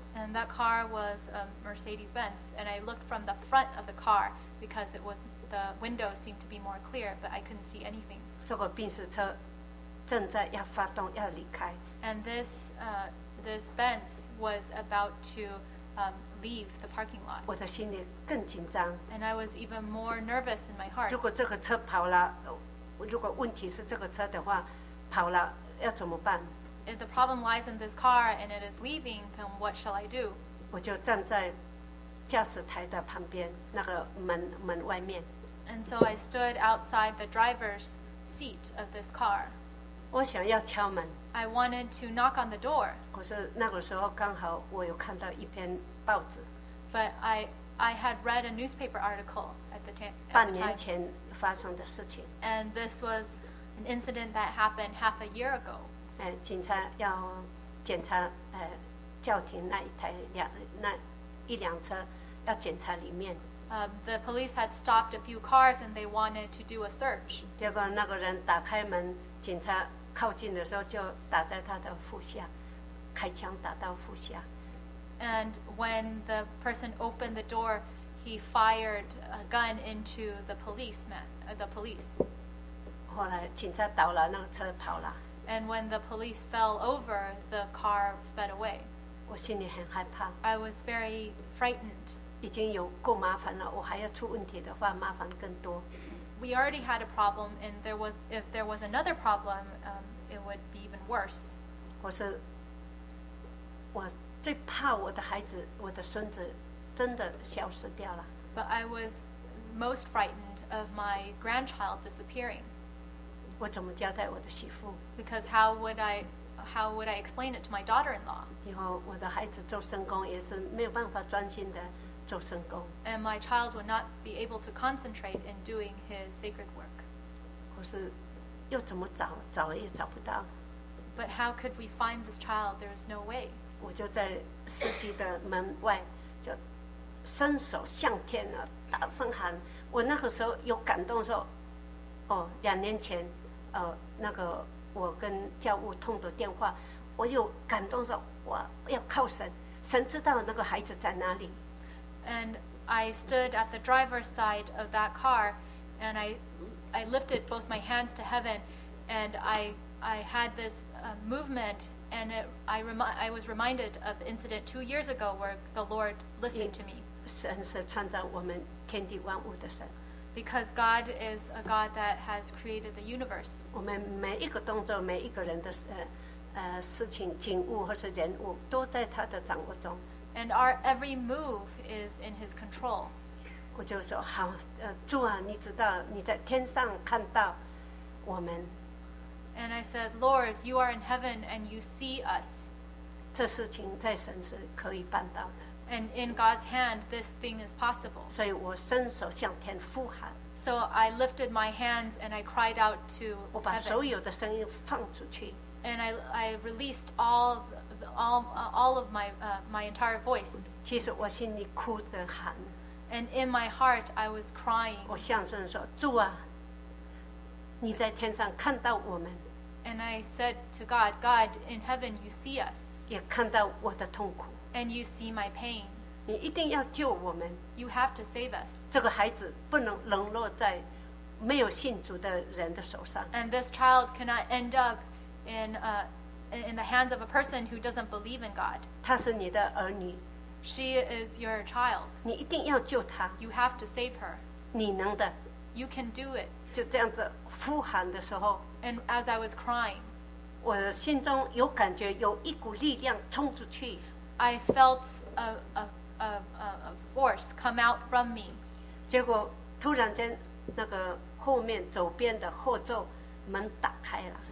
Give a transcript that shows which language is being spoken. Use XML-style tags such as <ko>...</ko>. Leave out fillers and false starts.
<en>And that car was a Mercedes-Benz, and I looked from the front of the car because it was the window seemed to be more clear, but I couldn't see anything.</en> <zh>这个宾士车。正在要发动要离开。</zh> <en>And this Benz was about to leave the parking lot.</en> <zh>我的心里更紧张。</zh> <en>And I was even more nervous in my heart.</en> <zh>如果这个车跑了，如果问题是这个车的话，跑了要怎么办？</zh> <en>If the problem lies in this car and it is leaving, then what shall I do?</en> <zh>我就站在驾驶台的旁边那个门门外面。</zh> <en>And so I stood outside the driver's seat of this car.</en> <zh>我想要敲门。</zh> <en>I wanted to knock on the door.</en> <zh>可是那个时候刚好我有看到一篇报纸。</zh> <en>But I had read a newspaper article at the time.</en> <zh>半年前发生的事情。</zh> <en>And this was an incident that happened half a year ago.</en> <zh>警察要检查叫停那一台两那一辆车要检查里面。</zh> <en>The police had stopped a few cars and they wanted to do a search.</en> <zh>结果那个人打开门，警察靠近的时候就打在他的腹下，开枪打到腹下。</zh> <en>And when the person opened the door, he fired a gun into the policeman, the police.</en> <zh>后来警察倒了，那个车跑了。</zh> <en>And when the police fell over, the car sped away.</en> <zh>我心里很害怕。</zh> <en>I was very frightened.</en> <zh>已经有够麻烦了，我还要出问题的话，麻烦更多。</zh> <en>We already had a problem, and there was if there was another problem, it would be even worse.</en> <zh>我最怕我的孩子，我的孙子真的消失掉了。</zh> <en>But I was most frightened of my grandchild disappearing.</en> <zh>我怎么交代我的媳妇</zh> <en>？Because how would I explain it to my daughter-in-law?</en> <zh>以后我的孩子做生工也是没有办法专心的。</zh> <en>And my child would not be able to concentrate in doing his sacred work.</en> <zh>可是又怎么找？找也找不到。</zh> <en>But how could we find this child? There is no way.</en> <zh>我就在司机的门外，就伸手向天啊，大声喊。我那个时候有感动，说：“哦，两年前，那个我跟教务通的电话，我有感动说，我要靠神，神知道那个孩子在哪里。”</zh> <en>And I stood at the driver's side of that car, and I lifted both my hands to heaven, and I had this movement, and I was reminded of the incident 2 years ago where the Lord listened to me.</en> <zh>神是创造我们天地万物的神。</zh> <en>Because God is a God that has created the universe.</en> <zh>我们每一个动作、每一个人的事情、景物或是人物，都在他的掌握中。</zh> <en>And our every move is in his control.</en> <zh>我就说好，主啊，你知道你在天上看到我们。</zh> <en>And I said, Lord, you are in heaven and you see us.</en> <zh>这事情在神是可以办到的。</zh> <en>And in God's hand, this thing is possible.</en> <zh>所以我伸手向天呼喊。</zh> <en>So I lifted my hands and I cried out to heaven.</en> <zh>我把所有的声音放出去。</zh> <en>And I released all of my entire voice.</en> <zh>其实我心里哭着喊。</zh> <en>And in my heart, I was crying.</en> <zh>我向神说：“主啊，你在天上看到我们。”</zh> <en>And I said to God, God, in heaven, you see us.</en> <zh>也看到我的痛苦。</zh> <en>And you see my pain.</en> <zh>你一定要救我们。</zh> <en>You have to save us.</en> <zh>这个孩子不能沦落在没有信主的人的手上。</zh> <en>And this child cannot end up in the hands of a person who doesn't believe in God.</en> <zh>她是你的儿女。</zh> <en>She is your child.</en> <zh>你一定要救她。</zh> <en>You have to save her.</en> <zh>你能的。</zh> <en>You can do it.</en> <zh>就这样子呼喊的时候。</zh> <en>And as I was crying,</en> <zh>我的心中有感觉，有一股力量冲出去。</zh> <en>I felt a force come out from me.</en> <zh>结果突然间，那个后面走边的后座门打开了。</zh>